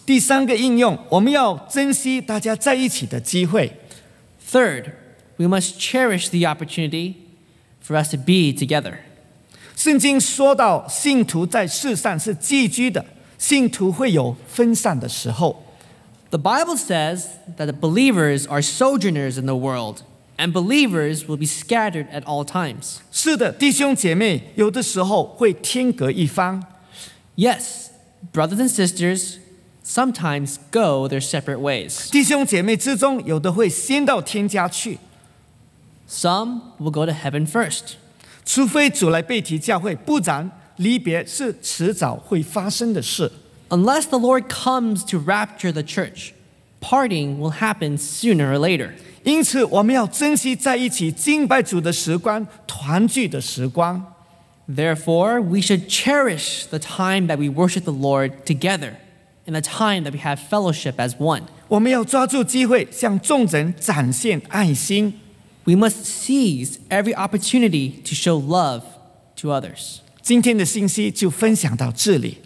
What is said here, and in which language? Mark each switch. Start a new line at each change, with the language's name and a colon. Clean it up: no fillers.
Chinese: 第三个应用，我们要珍惜大家在一起的机会。
English: Third, we must cherish the opportunity for us to be together.
Chinese: 圣经说到信徒在世上是寄居的，信徒会有分散的时候。
English: The Bible says that the believers are sojourners in the world, and believers will be scattered at all times.
Chinese: 是的，弟兄姐妹有的时候会天隔一方。
English: Yes,Brothers and sisters sometimes go their separate ways.
Chinese: 弟兄姐妹之中有的会先到天家去。
English: Some will go to heaven first.
Chinese: 除非主来被提教会，不然离别是迟早会发生的事。
English: Unless the Lord comes to rapture the church, parting will happen sooner or later.
Chinese: 因此我们要珍惜在一起敬拜主的时光，团聚的时光。
English: Therefore, we should cherish the time that we worship the Lord together and the time that we have fellowship as one.
Chinese: 我们要抓住机会向众人展现爱心。
English: We must seize every opportunity to show love to others.
Chinese: 今天的信息就分享到这里。